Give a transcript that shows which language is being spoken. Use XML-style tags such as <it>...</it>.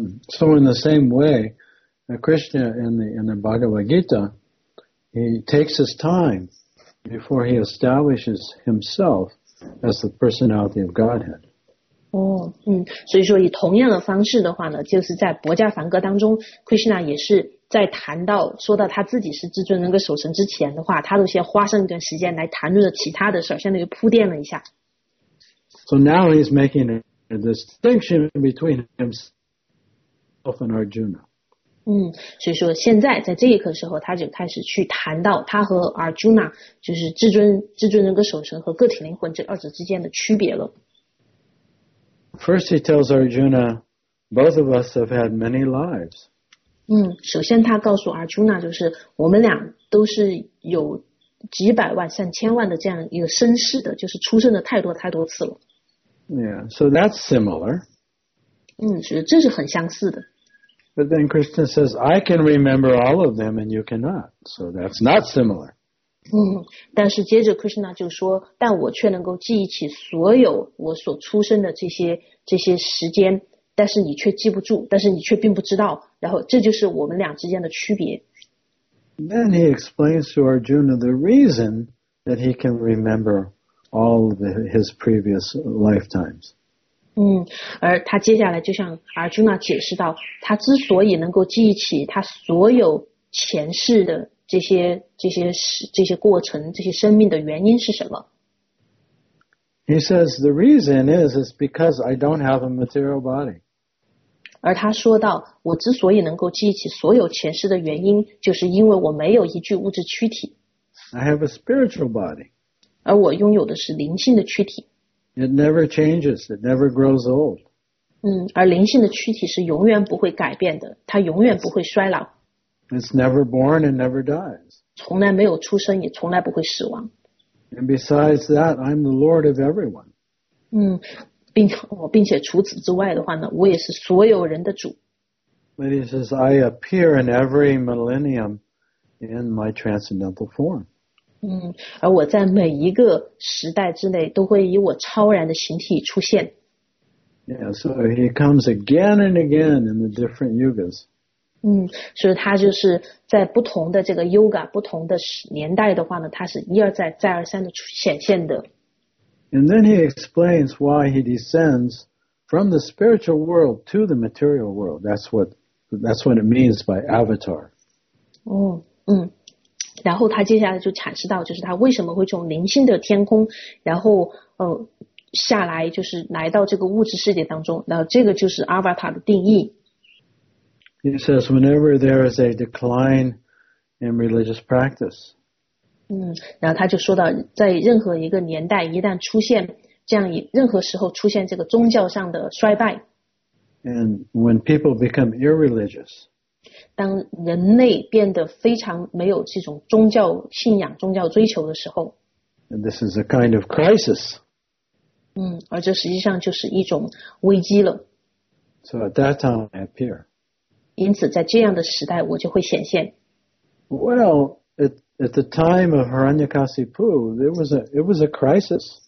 <en>So in the same way, Krishna in the Bhagavad Gita, he takes his time before he establishes himself as the personality of Godhead.</en> <zh>所以说以同样的方式的话呢，就是在薄伽梵歌当中 ，Krishna 也是在说到他自己是至尊人格守神之前的话，他都先花上一段时间来谈论了其他的事，相当于铺垫了一下。</zh> <en>So now he's making a distinction between himself. And Arjuna.</en> <zh>所以说现在在这一刻的时候，他就开始去谈到他和 Arjuna 就是至尊人格守神和个体灵魂这二者之间的区别了。</zh> <en>First, he tells Arjuna, "Both of us have had many lives."</en> <zh>首先他告诉 Arjuna 就是我们俩都是有几百万上千万的这样一个身世的，就是出生的太多太多次了。</zh> <en>Yeah, so that's similar.</en> <zh>这是很相似的。</zh> <en>But then Krishna says, I can remember all of them and you cannot. So that's not similar.</en> <zh>但是接着 Krishna 就说，但我却能够记忆起所有我所出生的这些时间，但是你却记不住，但是你却并不知道，然后这就是我们俩之间的区别。</zh> <en>Then he explains to Arjuna the reason that he can remember all of his previous lifetimes.</en> <zh>而他接下来就向 Arjuna 解释到，他之所以能够记忆起他所有前世的这些过程，这些生命的原因是什么。</zh> <en>He says the reason is because I don't have a material body.</en> <zh>而他说到，我之所以能够记忆起所有前世的原因，就是因为我没有一具物质躯体。</zh> <en>I have a spiritual body.</en> <zh>而我拥有的是灵性的躯体。</zh> <en>It never changes. It never grows old.</en> <zh>而灵性的躯体是永远不会改变的，它永远不会衰老。</zh> <en>It's never born and never dies.</en> <zh>从来没有出生，也从来不会死亡。</zh> <en>And besides that, I'm the Lord of everyone.</en> <zh>并且除此之外的话呢，我也是所有人的主。</zh> <en>But he says, I appear in every millennium in my transcendental form.</en> <zh>而我在每一个时代之内都会以我超然的形体出现。</zh> <en>Yeah, so he comes again and again in the different yugas.</en> <zh>所以他就是在不同的这个 yoga, 不同的年代的话呢，他是一而再，再而三的显现的。</zh> <en>And then he explains why he descends from the spiritual world to the material world. That's what it means by avatar.</en> <zh>然后他接下来就阐释到，就是他为什么会从灵性的天空，然后下来，就是来到这个物质世界当中。那这个就是 Avatar 的定义。</zh> <en>He says whenever there is a decline in religious practice.</en> <zh>然后他就说到，在任何一个年代，一旦出现这样任何时候出现这个宗教上的衰败。</zh> <en>And when people become irreligious.</en> <zh>当人类变得非常没有这种宗教信仰、宗教追求的时候</zh> <en>，This is a kind of crisis.</en> <zh>而这实际上就是一种危机了。</zh> <en>So at that time I appear.</en> <zh>因此，在这样的时代，我就会显现。</zh> <en>Well, at the time of Hiranyakasipu, it was a crisis.</en>